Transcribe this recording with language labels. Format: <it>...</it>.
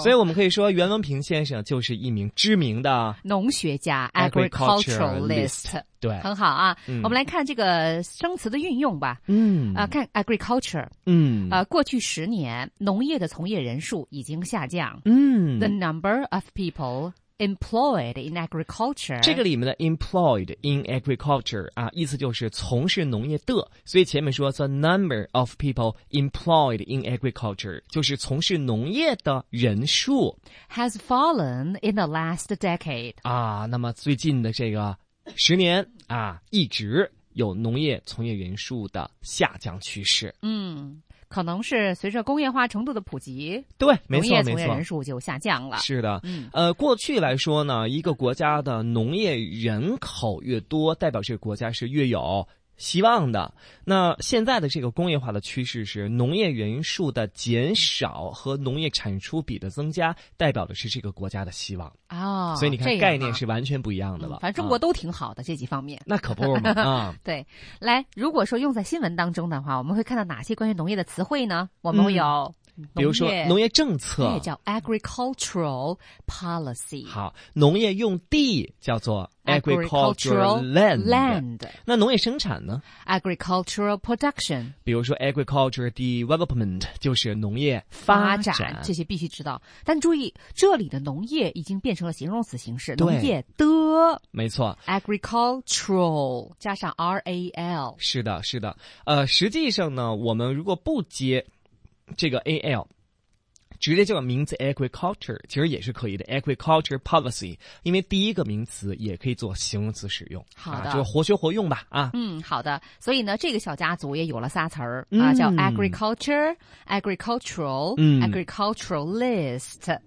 <zh>所以我们可以说，袁隆平先生就是一名知名的农学家</zh> <en>agriculturalist。 对，</en> <zh>很好啊，我们来看这个生词的运用吧。看 agriculture。过去十年农业的从业人数已经下降。</zh> <en>The number of people employed in agriculture。</en> <zh>这个里面的</zh> <en>employed in agriculture</en> <zh>啊，意思就是从事农业的。所以前面说</zh> <en>the number of people employed in agriculture</en> <zh>就是从事农业的人数。</zh> <en>Has fallen in the last decade。</en> <zh>啊，那么最近的这个十年啊，一直有农业从业人数的下降趋势。可能是随着工业化程度的普及，对，没错，农业从业人数就下降了。是的，过去来说呢，一个国家的农业人口越多，代表这个国家是越有希望的。那现在的这个工业化的趋势是农业人数的减少和农业产出比的增加，代表的是这个国家的希望啊。所以你看，概念是完全不一样的了。反正中国都挺好的，这几方面。那可不是嘛啊！对，来，如果说用在新闻当中的话，我们会看到哪些关于农业的词汇呢？我们有。比如说农业政策，农业叫 agricultural policy。好，农业用地叫做</zh> <en>agricultural</en> <zh>land。 那农业生产呢？</zh> <en>agricultural production。</en> <zh>比如说 agricultural development 就是农业发展，这些必须知道。但注意，这里的农业已经变成了形容词形式，农业的，没错， agricultural 加上 RAL。是的是的，实际上呢，我们如果不接这个 AL， 直接叫名字 agriculture， 其实也是可以的 agriculture policy， 因为第一个名词也可以做形容词使用。好的，啊，就活学活用吧啊。好的，所以呢，这个小家族也有了仨词儿啊，叫 agriculture， agricultural， agriculturalist。</zh>